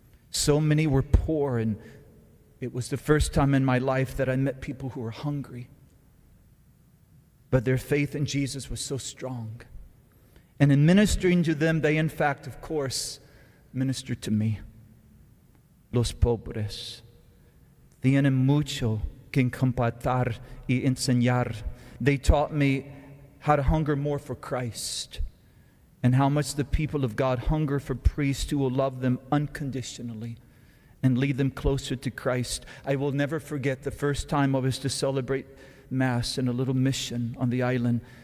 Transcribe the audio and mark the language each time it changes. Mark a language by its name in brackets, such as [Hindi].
[English] So many were poor, and it was the first time in my life that I met people who were hungry. But their faith in Jesus was so strong. And in ministering to them, they in fact, of course, ministered to me. [Spanish] Los pobres tienen mucho que compartir y enseñar. [English] They taught me how to hunger more for Christ and how much the people of God hunger for priests who will love them unconditionally and lead them closer to Christ. I will never forget the first time I was to celebrate Mass in a little mission on the island.